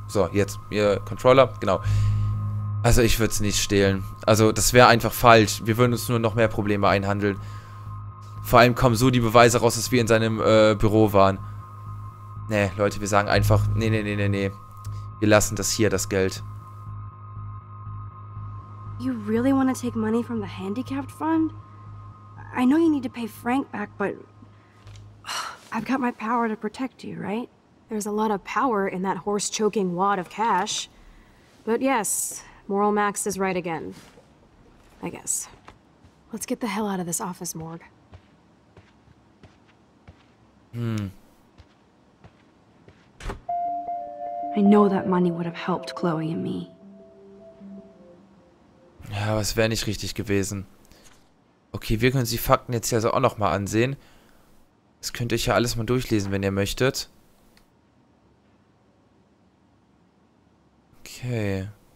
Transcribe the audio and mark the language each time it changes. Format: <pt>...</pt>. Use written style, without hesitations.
<de>So, jetzt, ihr Controller, genau. Also, ich würde es nicht stehlen. Also, das wäre einfach falsch. Wir würden uns nur noch mehr Probleme einhandeln. Vor allem kommen so die Beweise raus, dass wir in seinem Büro waren. Nee, Leute, wir sagen einfach, nee. Wir lassen das hier, das Geld.</de> <en>You really want to take money from the handicapped fund? I know you need to pay Frank back, but I've got my power to protect you, right? There's a lot of power in that horse-choking wad of cash. But yes, Moral Max is right again. I guess. Let's get the hell out of this office morgue. I know that money would have helped Chloe and me.</en> <de>Ja, aber es wäre nicht richtig gewesen. Okay, wir können uns die Fakten jetzt hier also auch nochmal ansehen. Das könnt ihr euch ja alles mal durchlesen, wenn ihr möchtet. Okay.</de>